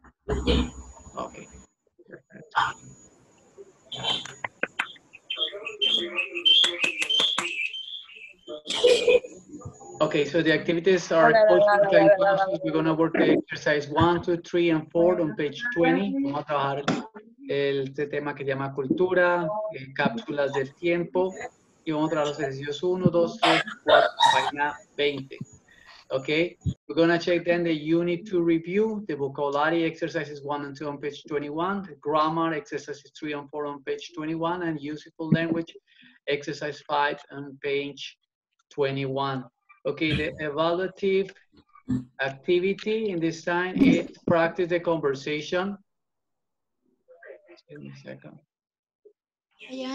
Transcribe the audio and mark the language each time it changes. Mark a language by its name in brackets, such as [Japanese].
[English] Okay. Okay, so the activities are we're gonna work the exercise 1, 2, 3, and 4 on page 20. [Spanish] Vamos a trabajar el tema que se llama cultura, cápsulas del tiempo, y vamos a trabajar los ejercicios 1, 2, 3, 4, página 20. [English] Okay, we're gonna check then the unit 2 review, the vocabulary exercises 1 and 2 on page 21, the grammar exercises 3 and 4 on page 21, and useful language exercise 5 on page 21. Okay, the evaluative activity in this time is practice the conversation. Give me a second. Yeah.